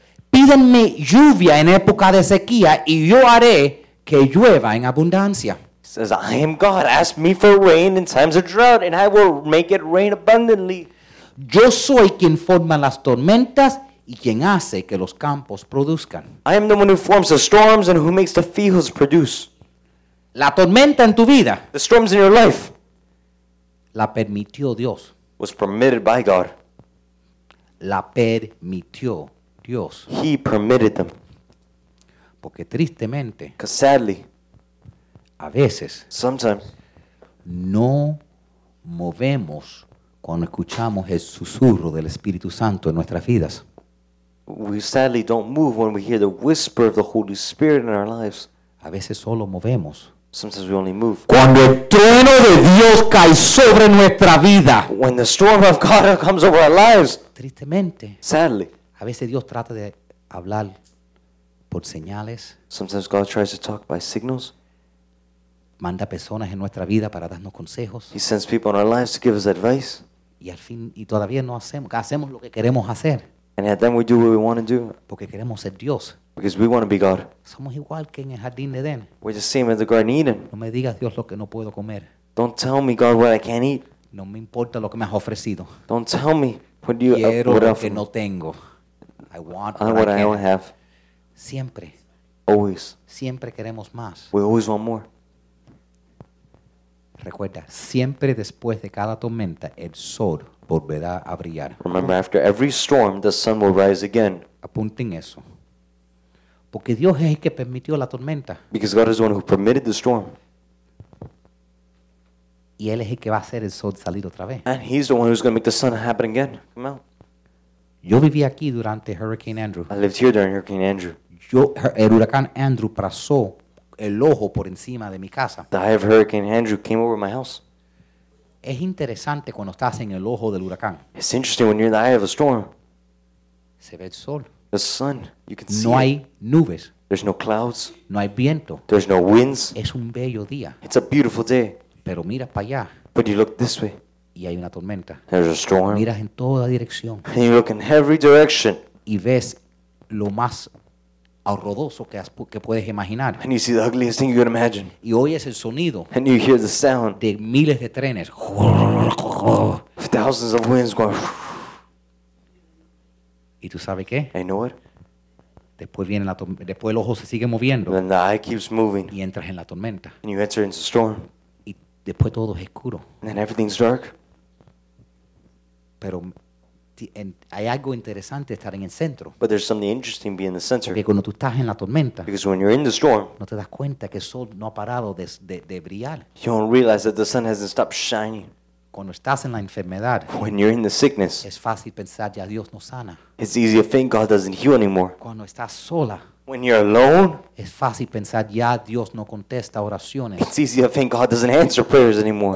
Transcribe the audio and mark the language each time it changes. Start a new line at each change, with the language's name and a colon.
Spanish: Pídenme lluvia en época de sequía y yo haré que llueva en abundancia.
English: He says, I am God. Ask me for rain in times of drought and I will make it rain abundantly.
Spanish: Yo soy quien forma las tormentas y quien hace que los campos produzcan.
English: I am the one who forms the storms and who makes the fields produce.
Spanish: La tormenta en tu vida.
English: The storms in your life.
Spanish: La permitió Dios.
English: Was permitted by God.
Spanish: La permitió Dios.
English: He permitted them.
Spanish: Porque tristemente.
English: Because sadly.
Spanish: A veces.
English: Sometimes.
Spanish: No movemos cuando escuchamos el susurro del Espíritu Santo en nuestras vidas.
English: We sadly don't move when we hear the whisper of the Holy Spirit in our lives.
Spanish: A veces solo movemos.
English: Sometimes we only move.
Spanish: Cuando el trueno de Dios cae sobre nuestra vida.
English: When the storm of God comes over our lives.
Spanish: Tristemente.
English: Sadly.
Spanish: A veces Dios trata de hablar por señales.
English: Sometimes God tries to talk by signals.
Spanish: Manda personas en nuestra vida para darnos consejos.
English: He sends people in our lives to give us advice.
Spanish: Y al fin, y todavía no hacemos, hacemos lo que queremos hacer.
English: And at then we do what we want to do.
Spanish: Porque queremos ser Dios.
English: Because we want to be God.
Spanish: Somos igual que en el jardín de Edén.
English: We're the same as the Garden of Eden.
Spanish: No me digas Dios lo que no puedo comer.
English: Don't tell me God what I can't eat.
Spanish: No me importa lo que me has ofrecido.
English: Don't tell me what you have.
Spanish: Quiero
English: what
Spanish: lo que no tengo.
English: I want what I don't have.
Spanish: Siempre.
English: Always.
Spanish: Siempre queremos más.
English: We always want more.
Spanish: Recuerda, siempre después de cada tormenta, el sol volverá a brillar.
English: Remember, after every storm, the sun will rise again.
Spanish: Apunten eso. Porque Dios es el que permitió la tormenta.
English: Because God is the one who permitted the storm.
Spanish: Y Él es el que va a hacer el sol salir otra vez.
English: And He's the one who's going to make the sun happen again. Come out.
Spanish: Yo viví aquí durante Hurricane Andrew.
English: I lived here during Hurricane Andrew.
Spanish: El huracán Andrew pasó el ojo por encima de mi casa.
English: The eye of Hurricane Andrew came over my house.
Spanish: Es interesante cuando estás en el ojo del huracán.
English: It's interesting when you're in the eye of a storm.
Spanish: Se ve el sol.
English: The sun. You can
Spanish: no
English: see.
Spanish: No hay nubes.
English: There's no clouds.
Spanish: No hay viento.
English: There's no winds.
Spanish: Es un bello día.
English: It's a beautiful day.
Spanish: Pero mira para allá.
English: But you look this way.
Spanish: Y hay una tormenta.
English: There's a storm.
Spanish: Miras en toda dirección.
English: And you look in every direction.
Spanish: Y ves lo más horroroso que puedes imaginar.
English: And you see the ugliest thing you can imagine.
Spanish: Y oyes el sonido.
English: And you hear the sound.
Spanish: De miles de trenes.
English: Thousands of winds going.
Spanish: ¿Y tú sabes qué?
English: And you know what?
Spanish: Después viene la después el ojo se sigue moviendo.
English: And the eye keeps moving.
Spanish: Y entras en la tormenta.
English: And you enter into the storm.
Spanish: Después todo es oscuro.
English: And then everything's dark.
Spanish: Pero hay algo interesante estar en el centro.
English: But there's something interesting being in the center.
Spanish: Porque cuando tú estás en la tormenta.
English: Because when you're in the storm.
Spanish: No te das cuenta que el sol no ha parado de brillar.
English: You don't realize that the sun hasn't stopped shining.
Spanish: Cuando estás en la enfermedad.
English: When you're in the sickness.
Spanish: Es fácil pensar ya Dios no sana.
English: It's easy to think God doesn't heal anymore.
Spanish: Cuando estás sola.
English: When you're alone,
Spanish: es fácil pensar, ya Dios no contesta oraciones.
English: It's easy to think God doesn't answer prayers anymore.